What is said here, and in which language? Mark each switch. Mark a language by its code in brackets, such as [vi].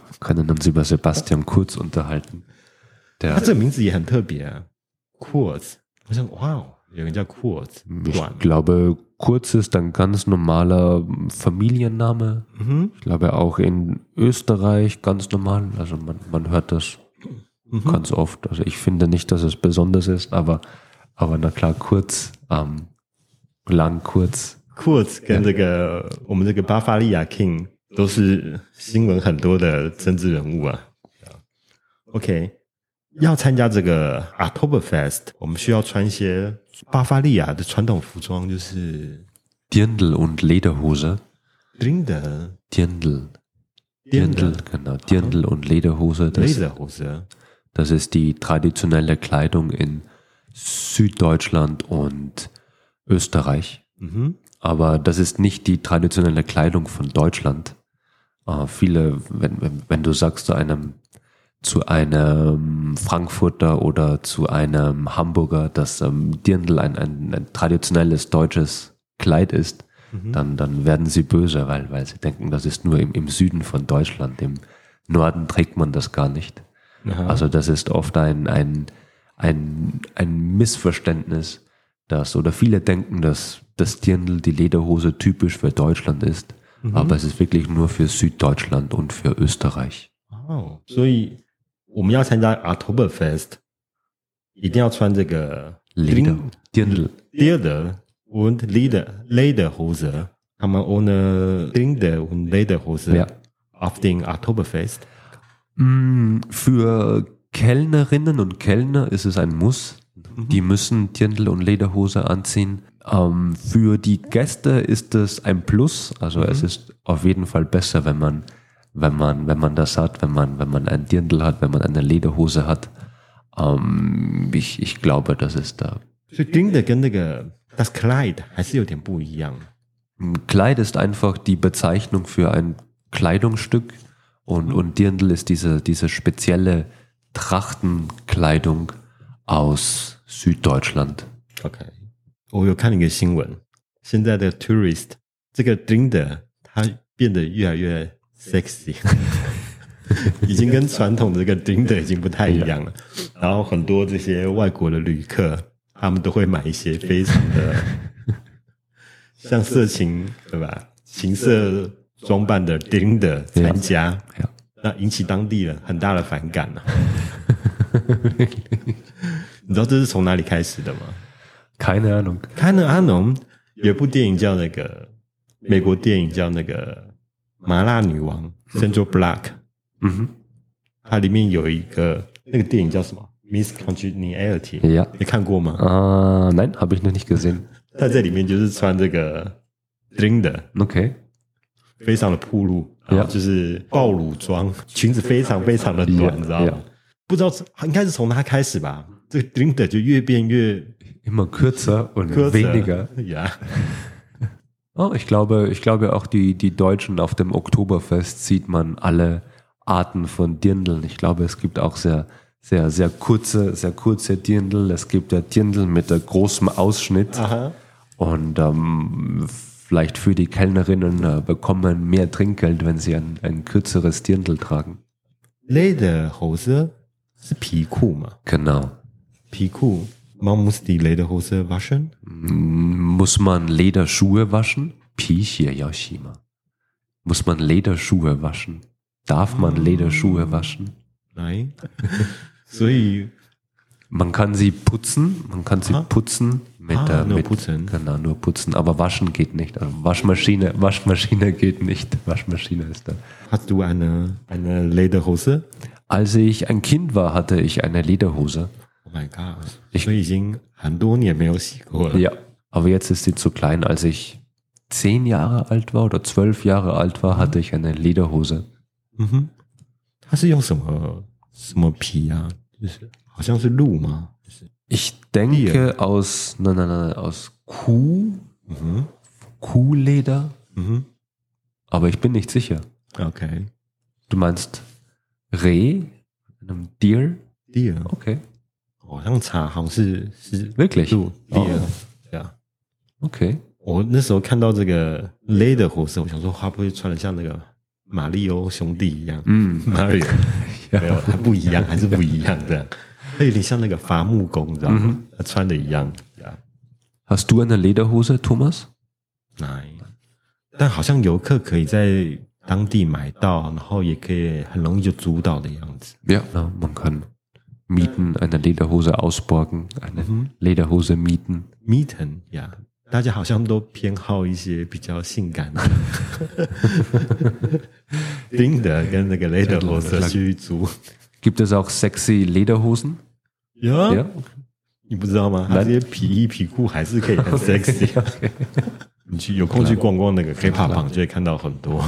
[zh] 可能能够把 Sebastian Kurz unterhalten 他这个名字也很特别啊 Kurz 我想哇、哦、有人叫 Kurz [de] Ich glaube Kurz ist ein ganz normaler Familienname、 mhm. Ich glaube auch in Österreich ganz normal also man hört das、mhm. ganz oft also ich finde nicht dass es besonders ist aber na klar Kurz、lang Kurz [zh] Kurz 跟这个、 [en] yeah. [zh] 我们这个巴伐利亚 King 都是新闻很多的政治人物啊 OK要参加这个 Oktoberfest 我们需要穿一些巴伐利亚的传统服装就是 [de] Dirndl und Lederhose Dirndl Dirndl Dirndl genau Dirndl und Lederhose Lederhose das ist die traditionelle Kleidung in Süddeutschland und Österreich、 mhm. aber das ist nicht die traditionelle Kleidung von Deutschland、viele wenn du sagst zu einem Frankfurter oder zu einem Hamburger, dass、Dirndl ein traditionelles deutsches Kleid ist,、mhm. dann werden sie böse, weil sie denken, das ist nur im Süden von Deutschland. Im Norden trägt man das gar nicht.、 Aha. Also das ist oft ein Missverständnis, dass, oder viele denken, dass das Dirndl, die Lederhose, typisch für Deutschland ist,、mhm. aber es ist wirklich nur für Süddeutschland und für Österreich. [en] Oh, so ich... [zh] 我们要参加 Oktoberfest 一定要穿这个 [de] Dirndl und Lederhose [zh] 他们 [de] own Dirndl und Lederhose、 ja. auf den Oktoberfest、 für Kellnerinnen und Kellner ist es ein Muss、mhm. die müssen Dirndl und Lederhose anziehen、für die Gäste ist es ein Plus also、mhm. es ist auf jeden Fall besser wenn man das hat, wenn man ein Dirndl hat, wenn man eine Lederhose hat,、ich glaube, das ist da. [zh] So Dirndl 跟那个 [de] das Kleid [zh] 还是有点不一样。 [de] Kleid ist einfach die Bezeichnung für ein Kleidungsstück und Dirndl ist diese spezielle Trachtenkleidung aus Süddeutschland. [en] Okay. [zh] 我有看一个新闻，现在的 Tourist 这个 Dirndl 它变得越来越。 sexy 已经跟传统的这个 Dirndl 已经不太一样了然后很多这些外国的旅客他们都会买一些非常的像色情对吧情色装扮的 Dirndl 参加那引起当地人很大的反感、啊、你知道这是从哪里开始的吗 [de] Keine Ahnung Keine Ahnung [zh] 有部电影叫那个美国电影叫那个麻辣女王 Central Black、 mm-hmm. 它里面有一个那个电影叫什么 Miss Congeniality、 [en] yeah. [zh] 你看过吗、 [de] Nein, habe ich noch nicht gesehen [zh] 它在里面就是穿这个 Dirndl [en] OK [zh] 非常的暴露就是暴露装、 [en] yeah. [zh] 裙子非常非常的短、 [en] yeah. [zh] 你知道吗、 [en] yeah. [zh] 不知道应该是从它开始吧这个 Dirndl 就越变越 [de] immer kürzer und weniger ja Oh, ich glaube auch die Deutschen auf dem Oktoberfest sieht man alle Arten von Dirndln. Ich glaube, es gibt auch sehr, sehr, sehr kurze Dirndl. Es gibt ja Dirndl mit großem Ausschnitt. Aha. Und vielleicht für die Kellnerinnen bekommen mehr Trinkgeld, wenn sie ein kürzeres Dirndl tragen. [zh] Lederhose ist 皮裤吗? [de] Genau. [zh] 皮裤。 [de] Man muss die Lederhose waschen? Muss man Lederschuhe waschen? Pichie Yoshima. Muss man Lederschuhe waschen? Darf man Lederschuhe waschen? Nein. Man kann sie putzen. Man kann sie putzen. Putzen. Genau, nur putzen. Aber waschen geht nicht. Also Waschmaschine geht nicht. Waschmaschine ist da. Hast du eine Lederhose? Als ich ein Kind war, hatte ich eine Lederhose. [en] My God, [zh] 所以已经很多年没有洗过了。 [de] Ja, aber jetzt ist sie zu klein. Als ich 10 Jahre alt war oder 12 Jahre alt war, hatte ich eine Lederhose. 嗯哼， [zh] 它是用什么皮啊？就是好像是鹿吗？就是 [de] ich denke aus aus Kuh，嗯哼，Kuhleder，嗯哼，aber ich bin nicht sicher。 [en] OK， [de] du meinst Reh， einem Deer？ [en] Deer， OK， [zh] 好像茶好像是 [de] wirklich [en] Deer， [zh] 对、 [en] oh. 啊、yeah. ，OK。 [zh] 我那时候看到这个 Lay 的火色，我想说会不会穿得像那个马里奥兄弟一样？嗯，Mario 没有，还不一样，还是不一样的。他有点像那个伐木工，你知道吗？他、嗯、穿的一样。 [de] Hast du eine Lederhose, Thomas? Nein。 [zh] 但好像游客可以在当地买到，然后也可以很容易就租到的样子。 [de] Ja, na, man kann mieten eine Lederhose ausborgen, eine Lederhose mieten. Mieten, ja. [zh] 大家好像都偏好一些比较性感的Binder 跟那个 Lederhose 去租。 [de] Gibt es auch sexy Lederhosen? Ja, ja. [zh] 你不知道吗？那些皮衣皮裤还是可以很 sexy。 [en] Okay, okay. [zh] 你去有空去逛逛那个 K-pop 榜，就会看到很多。